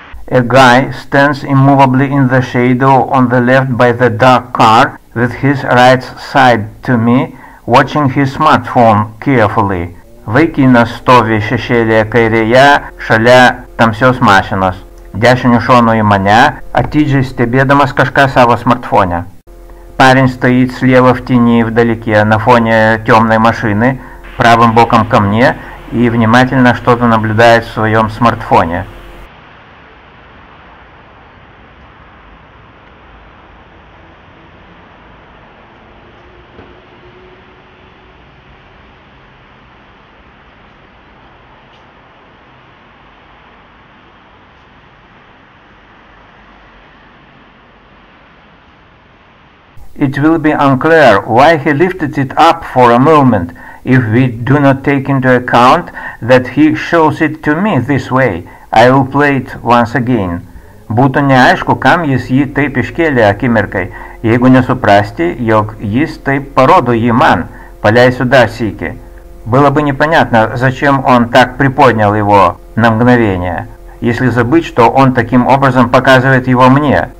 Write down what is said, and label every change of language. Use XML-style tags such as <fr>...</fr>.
<en>A guy stands immovably in the shadow on the left by the dark car with his right side to me, watching his smartphone carefully.</en> <lt>Vaikinas stovi šešėlėje kairėje šalia tamsios mašinos, dešiniu šonu į mane, atidžiai stebėdamas kažką savo smartfone.</lt> <ru>Парень стоит слева в тени вдалеке на фоне темной машины, правым боком ко мне, и внимательно что-то наблюдает в своем смартфоне.</ru> <en>It will be unclear why he lifted it up for a moment if we do not take into account that he shows it to me this way. I will play it once again.</en> <lt>Būtų neaišku, kam jis jį taip iškėlė akimirkai, jeigu nesuprasti, jog jis taip parodo jį man. Paleisiu dar sykį.</lt> <ru>Было бы непонятно, зачем он так приподнял его на мгновение, если забыть, что он таким образом показывает его мне.</ru>